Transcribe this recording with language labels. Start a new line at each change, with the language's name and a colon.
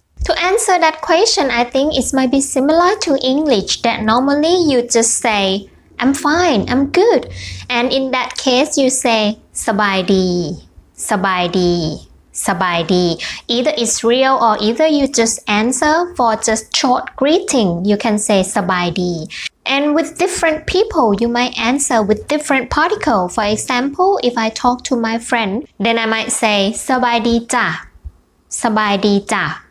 English: To answer that question, I think it might be similar to English that normally you just say,I'm fine, I'm good. And in that case, you say,
Thai: สบายดี, สบายดี, สบายดี.
English: Either it's real or either you just answer for just short greeting, you can say, สบายดี. And with different people, you might answer with different particle. For example, if I talk to my friend, then I might say,
Thai: สบายดีจ้ะ, สบายดีจ้ะ.